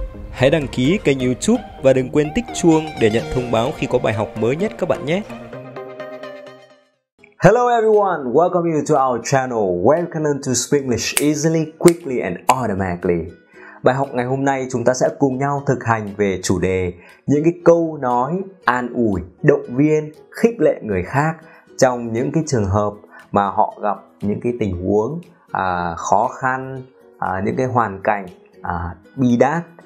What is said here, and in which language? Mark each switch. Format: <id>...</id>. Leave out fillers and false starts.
<vi>Hãy đăng ký kênh YouTube và đừng quên tích chuông để nhận thông báo khi có bài học mới nhất các bạn nhé.</vi> <en>Hello everyone, welcome you to our channel. Welcome to Speak English Easily, Quickly and Automatically.</en> <vi>Bài học ngày hôm nay chúng ta sẽ cùng nhau thực hành về chủ đề những cái câu nói an ủi, động viên, khích lệ người khác trong những cái trường hợp mà họ gặp những cái tình huống khó khăn, những cái hoàn cảnh bi đát.</vi>